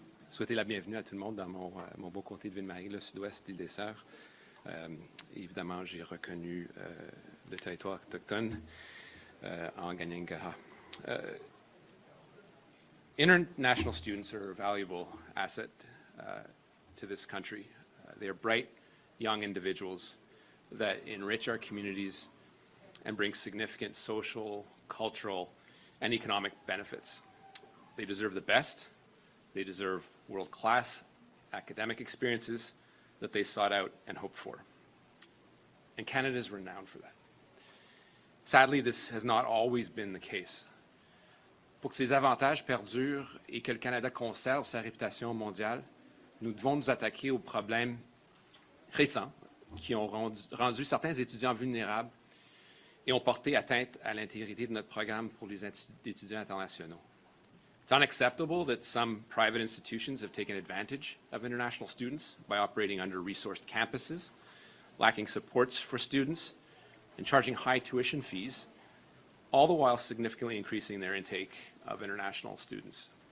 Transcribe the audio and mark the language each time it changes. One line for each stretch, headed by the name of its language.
French: Souhaiter la bienvenue à tout le monde dans mon beau comté de Ville-Marie, le sud-ouest d'Île des Sœurs. Évidemment, j'ai reconnu le territoire autochtone en Ganyangaha.
English: International students are a valuable asset to this country. They are bright, young individuals that enrich our communities and bring significant social, cultural, and economic benefits. They deserve the best. They deserve world-class academic experiences that they sought out and hoped for. And Canada is renowned for that. Sadly, this has not always been the case.
French: Pour que ces avantages perdurent et que le Canada conserve sa réputation mondiale, nous devons nous attaquer aux problèmes récents qui ont rendu certains étudiants vulnérables et ont porté atteinte à l'intégrité de notre programme pour les étudiants internationaux.
English: It's unacceptable that some private institutions have taken advantage of international students by operating under-resourced campuses, lacking supports for students, and charging high tuition fees, all the while significantly increasing their intake of international students.